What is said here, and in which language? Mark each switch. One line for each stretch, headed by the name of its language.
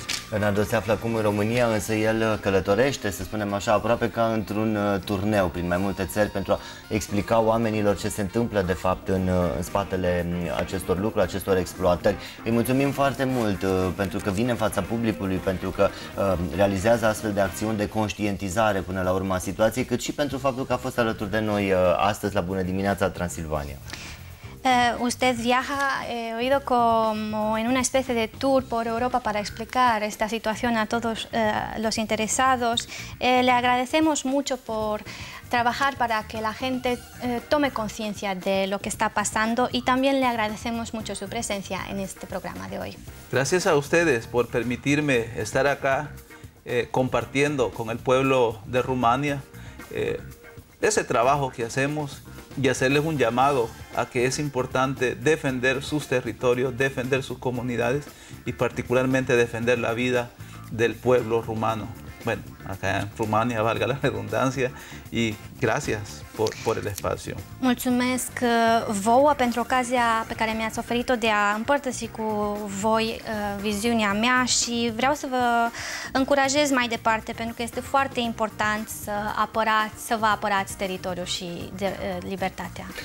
Romanian: Bernardo se află acum în România, însă el călătorește, să spunem așa, aproape ca într-un turneu prin mai multe țări pentru a explica oamenilor ce se întâmplă de fapt în spatele acestor lucruri, acestor exploatări. Îi mulțumim foarte mult pentru că vine în fața publicului, pentru că realizează astfel de acțiuni de conștientizare până la urma situației, cât și pentru faptul că a fost alături de noi astăzi la Bună Dimineața Transilvania.
Spanish: Usted viaja, he oído, como en una especie de tour por Europa para explicar esta situación a todos los interesados. Le agradecemos mucho por trabajar para que la gente tome conciencia de lo que está pasando y también le agradecemos mucho su presencia en este programa de hoy. Gracias a ustedes por permitirme estar acá compartiendo con el pueblo de Rumania ese trabajo que hacemos y hacerles un llamado a que es importante defender sus territorios, defender sus comunidades y particularmente defender la vida del pueblo rumano. Bueno, acá en Rumania, valga la redundancia, y gracias por el espacio.
Romanian: Mulțumesc vouă pentru ocazia pe care mi-ați oferit-o de a împărtăși cu voi viziunea mea și vreau să vă încurajez mai departe pentru că este foarte important să vă apărați teritoriul și libertatea.